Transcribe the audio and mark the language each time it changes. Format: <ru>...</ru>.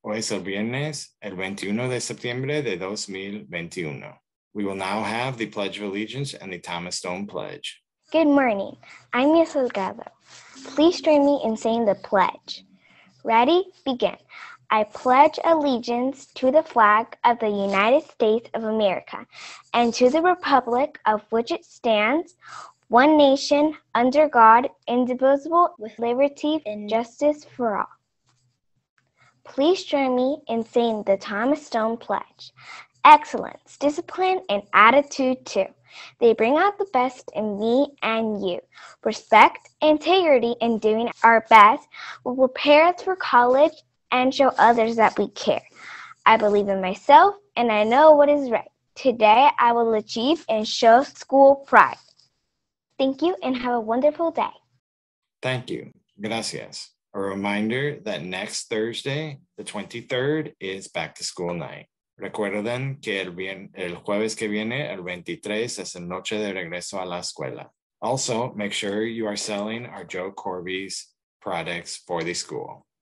<es>Hoy es el viernes, el 21 de septiembre de 2021.</es> <en>We will now have the Pledge of Allegiance and the Thomas Stone Pledge. Good morning. I'm Ms. Delgado. Please join me in saying the pledge. Ready? Begin. I pledge allegiance to the flag of the United States of America and to the republic of which it stands, one nation, under God, indivisible, with liberty and justice for all. Please join me in saying the Thomas Stone Pledge. Excellence, discipline, and attitude too. They bring out the best in me and you. Respect, integrity, and doing our best will prepare us for college and show others that we care. I believe in myself, and I know what is right. Today, I will achieve and show school pride. Thank you, and have a wonderful day. Thank you.</en> <es>Gracias.</es> <en>A reminder that next Thursday, the 23rd, is back to school night.</en> <es>Recuerden que el jueves que viene, el 23, es el noche de regreso a la escuela.</es> <en>Also, make sure you are selling our Joe Corby's products for the school.</en>